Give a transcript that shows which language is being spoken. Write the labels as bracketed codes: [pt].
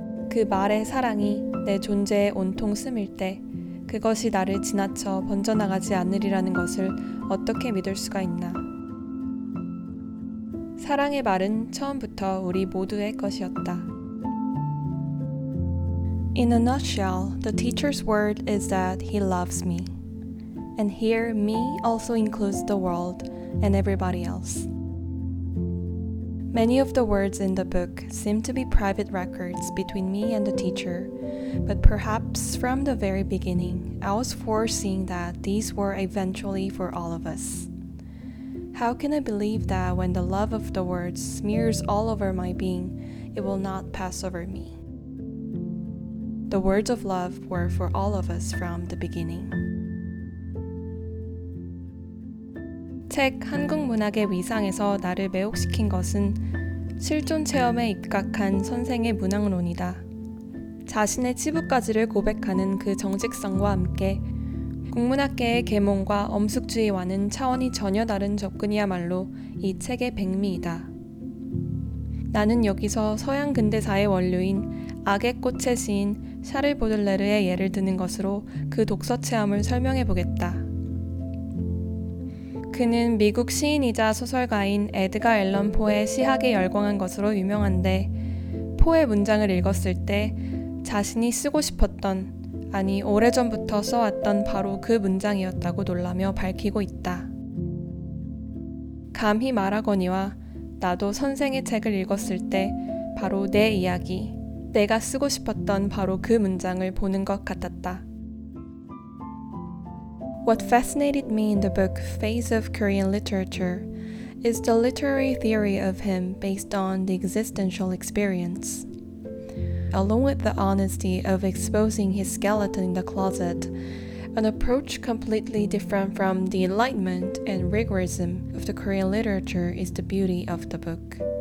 [ko] 그 말의 사랑이 내 존재에 온통 스밀 때 그것이 나를 지나쳐 번져나가지 않으리라는 것을 어떻게 믿을 수가 있나. 사랑의 말은 처음부터 우리 모두의 것이었다." [en] In a nutshell, the teacher's word is that he loves me. And here, me also includes the world and everybody else. Many of the words in the book seem to be private records between me and the teacher, but perhaps from the very beginning, I was foreseeing that these were eventually for all of us. How can I believe that when the love of the words smears all over my being, it will not pass over me? The words of love were for all of us from the beginning. [ko] 책 한국 문학의 위상에서 나를 매혹시킨 것은 실존 체험에 입각한 선생의 문학론이다. 자신의 치부까지를 고백하는 그 정직성과 함께 국문학계의 계몽과 엄숙주의와는 차원이 전혀 다른 접근이야말로 이 책의 백미이다. 나는 여기서 서양 근대사의 원류인 악의 꽃의 시인 샤를 보들레르의 예를 드는 것으로 그 독서 체험을 설명해 보겠다. 그는 미국 시인이자 소설가인 에드가 앨런 포의 시학에 열광한 것으로 유명한데 포의 문장을 읽었을 때 자신이 쓰고 싶었던, 아니 오래전부터 써왔던 바로 그 문장이었다고 놀라며 밝히고 있다. 감히 말하거니와 나도 선생의 책을 읽었을 때 바로 내 이야기, 내가 쓰고 싶었던 바로 그 문장을 보는 것 같았다. [en] What fascinated me in the book Face of Korean Literature is the literary theory of him based on the existential experience. Along with the honesty of exposing his skeleton in the closet, an approach completely different from the enlightenment and rigorism of the Korean literature is the beauty of the book.